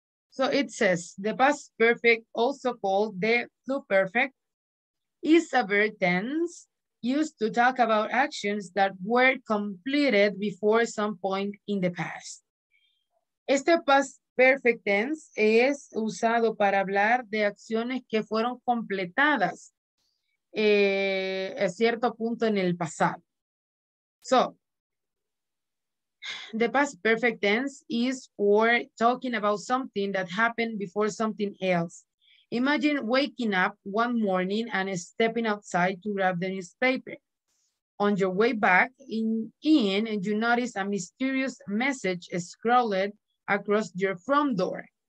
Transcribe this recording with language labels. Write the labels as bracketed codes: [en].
[en] So it says, the past perfect, also called the pluperfect, is a verb tense used to talk about actions that were completed before some point in the past. [es] Este past perfect tense es usado para hablar de acciones que fueron completadas a cierto punto en el pasado. [en] So, the past perfect tense is for talking about something that happened before something else. Imagine waking up one morning and stepping outside to grab the newspaper. On your way back in, and you notice a mysterious message scrawled across your front door.